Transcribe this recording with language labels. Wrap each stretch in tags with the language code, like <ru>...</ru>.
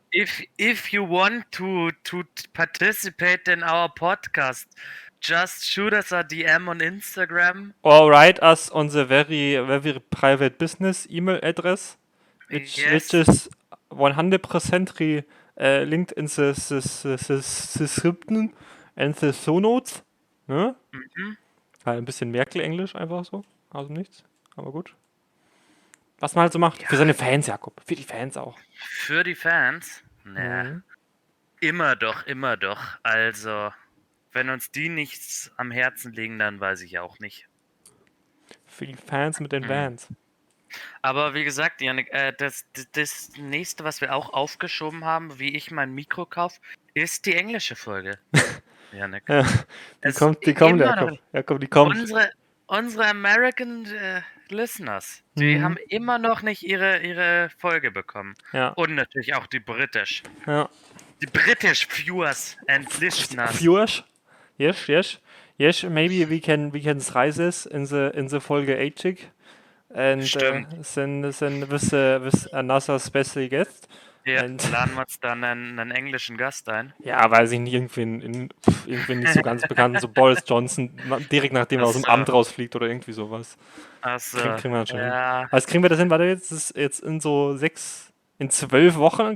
<en>If you want to participate in our podcast, just shoot us a DM on Instagram. Or write us on the very, very private business email address. Which is 100% linked in the scripten and the show notes.</en> <de>Ne? Mhm. Halt ein bisschen Merkel-Englisch einfach so. Also nichts. Aber gut. Was man halt so macht. Ja. Für seine Fans, Jakob. Für die Fans auch. Für die Fans? Ne. Mhm. Immer doch, immer doch. Also, wenn uns die nichts am Herzen liegen, dann weiß ich auch nicht. Für die Fans mit den Fans. Aber wie gesagt, Janik, das nächste, was wir auch aufgeschoben haben, wie ich mein Mikro kaufe, ist die englische Folge. Janik. Ja, die kommt, Jakob, die kommt. Unsere</de> <en>American Listeners,</en> <de>die haben immer noch nicht ihre Folge bekommen. Ja. Und natürlich auch die British. Ja.</de> <en>Die British Viewers and Listeners. Viewers? Yes, yes. Yes, maybe we can try this in the Folge 80. And send with another special guest.</en> <de>Ja, and laden wir uns dann einen englischen Gast ein. Ja, weiß ich nicht, irgendwie nicht so ganz bekannt, so Boris Johnson, direkt nachdem er aus dem Amt rausfliegt oder irgendwie sowas. Achso. Kriegen wir das schon hin. Was kriegen wir das hin? Warte, jetzt in so in 12 Wochen?</de>